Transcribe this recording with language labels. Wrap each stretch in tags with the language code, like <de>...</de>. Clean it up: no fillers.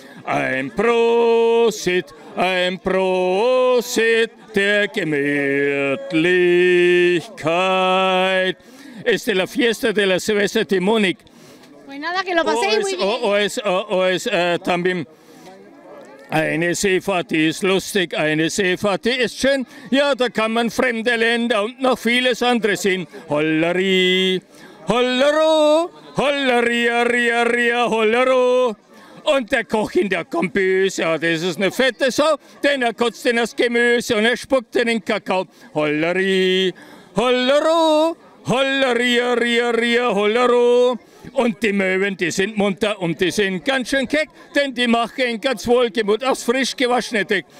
<de>Ein Prosit der Gemütlichkeit.</de> <es>Es de la fiesta de la cerveza de Múnich. Pues nada, que lo paséis muy bien. O es también.</es> <de>Eine Seefahrt ist lustig, eine Seefahrt ist schön. Ja, da kann man fremde Länder und noch vieles andere sehen. Hollerí, hollero, hollería, ría, ría, hollero. Und der Koch in der Kombüse, ja, das ist eine fette Sau, denn er kotzt in das Gemüse und er spuckt in den Kakao. Hollerí, hollero. Hollaria, ria, ria, hollaro. Und die Möwen, die sind munter und die sind ganz schön keck, denn die machen ganz wohlgemut aus frisch gewaschenem Deck.</de>